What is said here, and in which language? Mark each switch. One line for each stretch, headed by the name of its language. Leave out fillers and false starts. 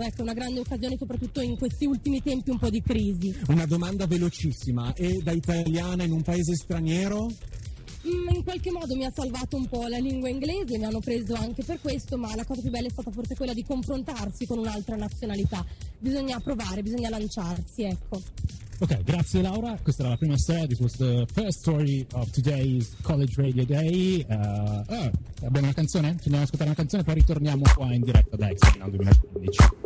Italian: Ecco, una grande occasione soprattutto in questi ultimi tempi un po' di crisi. Una domanda velocissima: e da italiana in un paese straniero? In qualche modo mi ha salvato un po' la lingua inglese, mi hanno preso anche per questo, ma la cosa più bella è stata forse quella di confrontarsi con un'altra nazionalità. Bisogna provare, bisogna lanciarsi, ecco. Ok, grazie Laura. Questa era la prima storia.
English: This was the first story of today's College Radio Day.
Italian: Abbiamo una canzone? Ci andiamo ad ascoltare una canzone, poi ritorniamo qua in diretta da Expo Milano 2015.